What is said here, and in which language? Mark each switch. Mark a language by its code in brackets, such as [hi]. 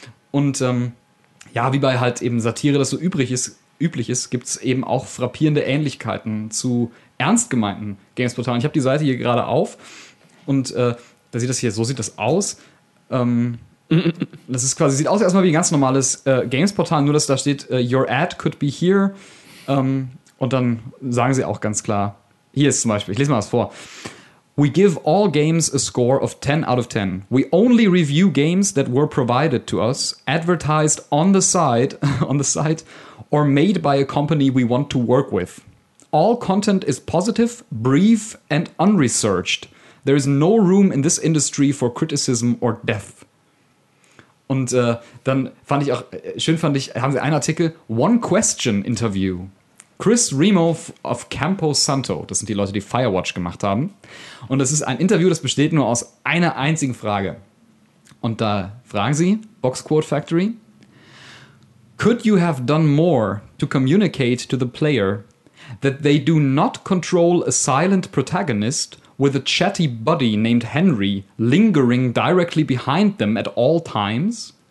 [de] Und ja, wie bei halt eben Satire, das so üblich ist, gibt es eben auch frappierende Ähnlichkeiten zu ernst gemeinten Gamesportalen. Ich habe die Seite hier gerade auf und da sieht das hier, so sieht das aus. Das ist quasi, sieht aus erstmal wie ein ganz normales Gamesportal, nur dass da steht, [en] your ad could be here. [de] Und dann sagen sie auch ganz klar, hier ist zum Beispiel, ich lese mal was vor. [en] We give all games a score of 10 out of 10. We only review games that were provided to us, advertised on the site, or made by a company we want to work with. All content is positive, brief, and unresearched. There is no room in this industry for criticism or death. [de] Und dann fand ich auch, schön fand ich, haben sie einen Artikel, One Question Interview. Chris Remo of Campo Santo, das sind die Leute, die Firewatch gemacht haben. Und das ist ein Interview, das besteht nur aus einer einzigen Frage. Und da fragen sie, [en] BoxQuote Factory, could you have done more to communicate to the player that they do not control a silent protagonist with a chatty buddy named Henry lingering directly behind them at all times?